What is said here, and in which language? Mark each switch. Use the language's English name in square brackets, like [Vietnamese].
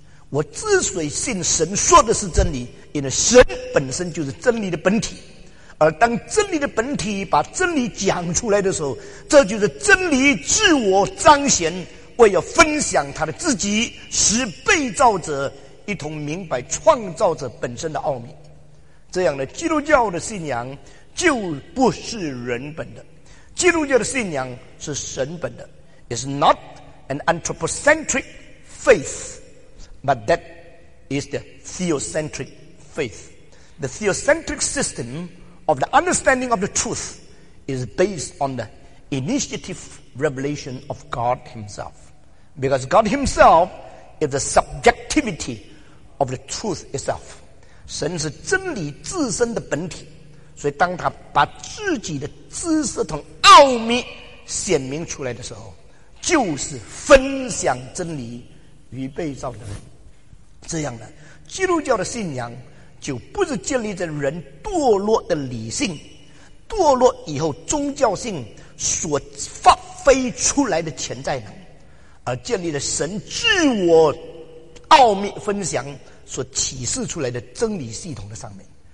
[Chinese] 我之所以信神说的是真理，因为神本身就是真理的本体，而当真理的本体把真理讲出来的时候，这就是真理自我彰显，为了分享他的自己，使被造者一同明白创造者本身的奥秘。这样的基督教的信仰就不是人本的，基督教的信仰是神本的。 [English] It's not an anthropocentric faithBut that is the theocentric faith. The theocentric system of the understanding of the truth is based on the initiative revelation of God Himself. Because God Himself is the subjectivity of the truth itself. [Chinese] 神是真理自身的本体，所以当他把自己的知识同奥秘显明出来的时候，就是分享真理与被造的人。这样的基督教的信仰就不是建立在人堕落的理性堕落以后宗教性所发挥出来的潜在能，而建立了神自我奥秘分享所启示出来的真理系统的上面。